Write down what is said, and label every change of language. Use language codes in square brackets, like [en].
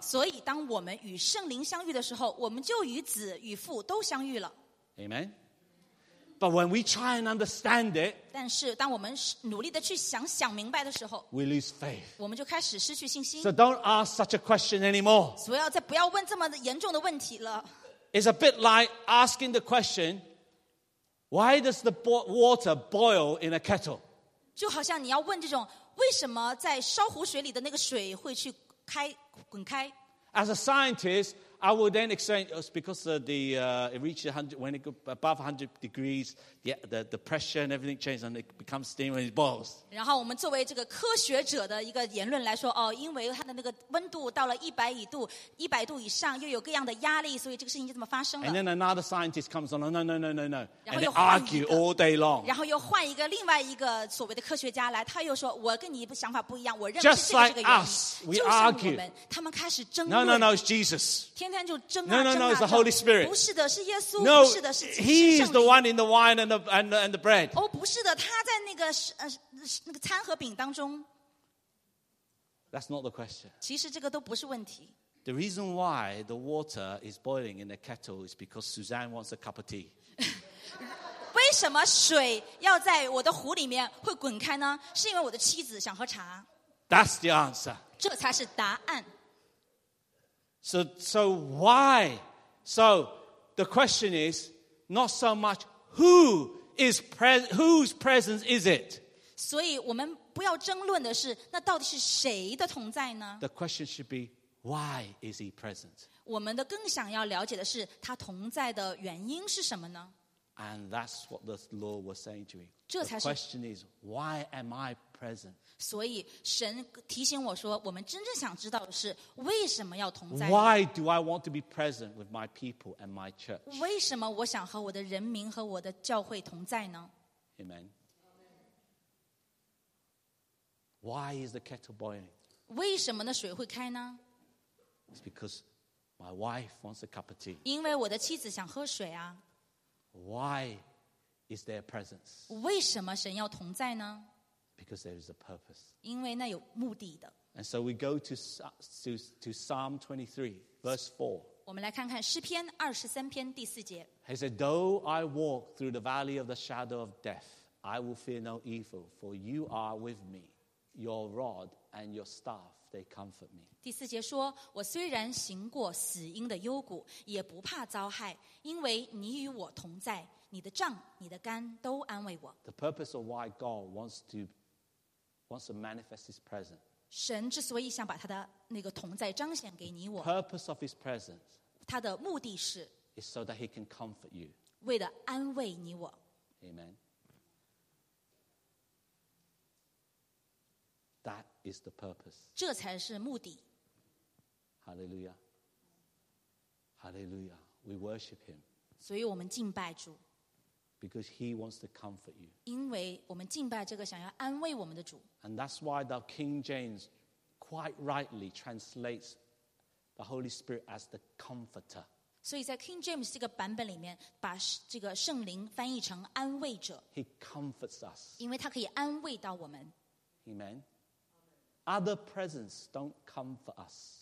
[zh] 所以当我们与圣灵相遇的时候，我们就与子与父都相遇了。 [en] Amen. But when we try and understand it, [zh] 但是当我们努力的去想想明白的时候， [en] we lose faith. [zh] 我们就开始失去信心。 [en] So don't ask such a question anymore. [zh] 所以要再不要问这么严重的问题了。 [en] It's a bit like asking the question. Why does the water boil in a kettle? [zh] 就好像你要问这种，为什么在烧壶水里的那个水会去开滚开？ [en] As a scientist, I would then explain it's because it reaches 100, when it goes above 100 degrees, the pressure and everything changes and it becomes steam when it boils. [zh] 然后我们作为这个科学者的一个言论来说，哦，因为它的那个温度到了100度以上，又有各样的压力，所以这个事情就这么发生了。 [en] And then another scientist comes on, no. And they argue all day long. [zh] 然后又换一个另外一个所谓的科学家来，他又说，我跟你想法不一样，我认为是这个原因。 [en] Just like us, we argue. [zh] 他们开始争论。 [en] No, it's Jesus. [zh] 天天就争啊争啊。 [en] No, it's the Holy Spirit. [zh] 不是的，是耶稣。 [en] No, [zh] 不是的，是基督。 [en] He is the one in the wine and the bread. [zh] 哦，不是的，他在那个那个餐和饼当中。 [en] That's not the question. [zh] 其实这个都不是问题。 [en] The reason why the water is boiling in the kettle is because Suzanne wants a cup of tea. [zh] 为什么水要在我的壶里面会滚开呢？是因为我的妻子想喝茶。 [en] That's the answer. [zh] 这才是答案。 [en] So why? So the question is not so much whose presence is it? [zh] 所以我们不要争论的是，那到底是谁的同在呢？ [en] The question should be. Why is he present? [zh] 我们的更想要了解的是他同在的原因是什么呢？ [en] And that's what the Lord was saying to me. [zh] 这才是 [en] The question is, why am I present? [zh] 所以神提醒我说，我们真正想知道的是为什么要同在。 [en] Why do I want to be present with my people and my church? [zh] 为什么我想和我的人民和我的教会同在呢？ [en] Amen. Why is the kettle boiling? [zh] 为什么那水会开呢？ [en] It's because my wife wants a cup of tea. [zh] 因为我的妻子想喝水啊。 [en] Why is there presence? [zh] 为什么神要同在呢？ [en] Because there is a purpose. [zh] 因为那有目的的。 [en] And so we go to Psalm 23, verse 4. [zh] 我们来看看诗篇二十三篇第四节。 [en] He said, Though I walk through the valley of the shadow of death, I will fear no evil, for you are with me. Your rod and your staff, they comfort me. [zh] 第四节说，我虽然行过死荫的幽谷，也不怕遭害，因为你与我同在，你的杖、你的竿都安慰我。 [en] The purpose of why God wants to manifest His presence. [zh] 神之所以想把他的那个同在彰显给你我 [en] purpose of his presence [zh] 他的目的是 [en] is so that he can comfort you [zh] 为了安慰你我 [en] Amen That is the purpose [zh] 这才是目的 [en] Hallelujah Hallelujah We worship him [zh] 所以我们敬拜主 [en] Because he wants to comfort you [zh] 因为我们敬拜这个想要安慰我们的主 [en] And that's why the King James quite rightly translates the Holy Spirit as the Comforter. [zh] 所以在 King James 这个版本里面，把这个圣灵翻译成安慰者。 [en] He comforts us. [zh] 因为他可以安慰到我们。 [en] Amen. Other presence don't comfort us.